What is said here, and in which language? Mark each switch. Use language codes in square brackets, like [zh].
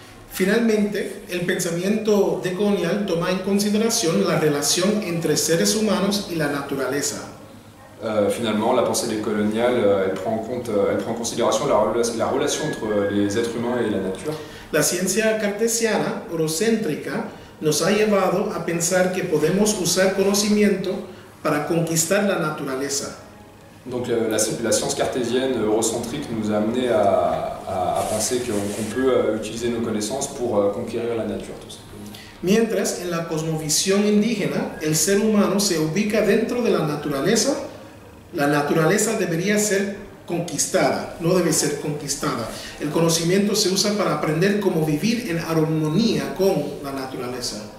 [es] Finalmente, el pensamiento decolonial toma en consideración la relación entre seres humanos y la naturaleza. [fr] Finalement, la pensée décoloniale, elle prend en considération la relation entre les êtres humains et la nature. [es] La ciencia cartesiana, eurocéntrica, nos ha llevado a pensar que podemos usar conocimiento para conquistar la naturaleza. [fr] Donc la science cartésienne eurocentrique nous a amené à penser qu'on peut utiliser nos connaissances pour conquérir la nature, tout simplement. [es] Mientras, en la cosmovisión indígena, el ser humano se ubica dentro de la naturaleza. La naturaleza debería ser conquistada, no debe ser conquistada. El conocimiento se usa para aprender cómo vivir en armonía con la naturaleza.